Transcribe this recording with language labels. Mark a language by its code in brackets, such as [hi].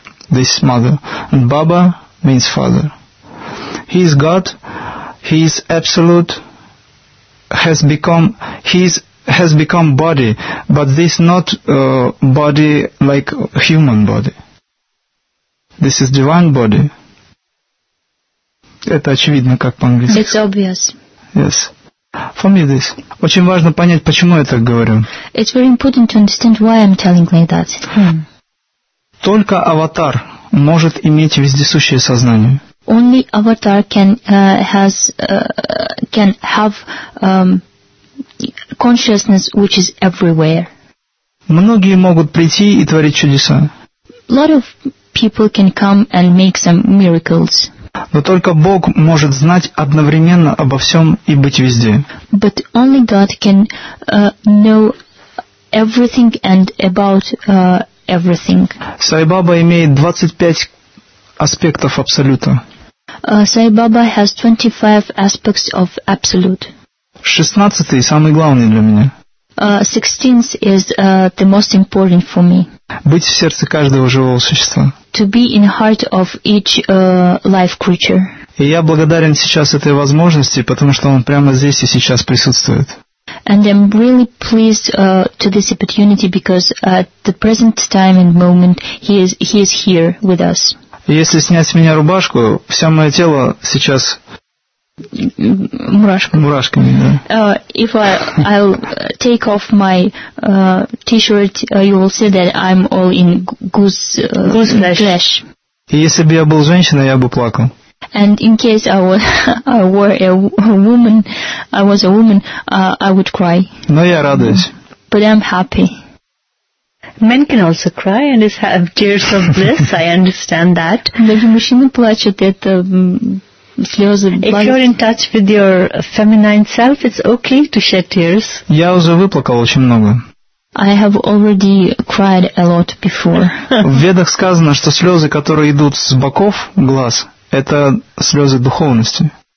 [en] This mother. And Baba means father. He is God. He is absolute. Has become body, but this not body like human body. This is divine body. [ru] Это очевидно, как по-английски. [en] It's obvious. Yes. For me this. [ru] Очень важно понять, почему я так говорю. [en] It's very important to understand why I'm telling like that. [ru] Только аватар может иметь вездесущее сознание. [en] Only avatar can have consciousness which is everywhere. [ru] Многие могут прийти и творить чудеса. [en] A lot of people can come and make some miracles. [ru] Но только Бог может знать одновременно обо всем и быть везде. [en] But only God can know everything and about everything. [ru] Сай Баба имеет 25 аспектов Абсолюта. [en] Сай Баба has 25 aspects of Absolute. [ru] 16-й самый главный для меня. [en] 16th is the most important for me. [ru] Быть в сердце каждого живого существа. [en] To be in heart of each life creature. [ru] И я благодарен сейчас этой возможности, потому что он прямо здесь и сейчас присутствует. [en] And I'm really pleased to this opportunity because at the present time and moment he is here with us. [ru] Если снять с меня рубашку, все мое тело сейчас мурашками, да. [en] If I'll take off my t-shirt, you will see that I'm all in goose flesh. [ru] И если бы я был женщиной, я бы плакал. [en] And in case I was a woman, I would cry. [ru] Но я радуюсь. [en] But I'm happy. Men can also cry and have tears of bliss, I understand that. [ru] Даже мужчины плачут, это слезы. [en] If you're in touch with your feminine self, it's okay to shed tears. [ru] Я уже выплакал очень много. [en] I have already cried a lot before. [ru] В ведах сказано, что слезы, которые идут с боков глаз, это слезы духовности.